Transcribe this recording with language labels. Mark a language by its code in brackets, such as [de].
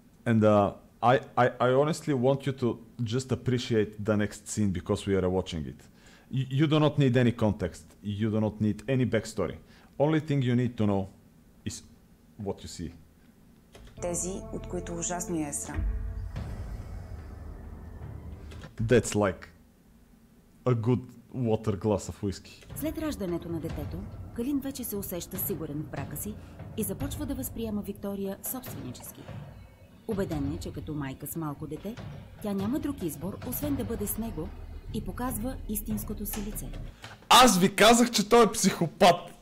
[en] And I honestly want you to just appreciate the next scene because we are watching it. You do not need any context. You do not need any backstory. Only thing you need to know is what you see. [bg] Тези, от които ужасно я е срам. [en] That's like a good water glass of whiskey. [bg] След раждането на детето, Калин вече се усеща сигурен в брака си и започва да възприема Виктория собственически. Убеден е, че като майка с малко дете, тя няма друг избор, освен да бъде с него и показва истинското си лице. Аз ви казах, че той е психопат!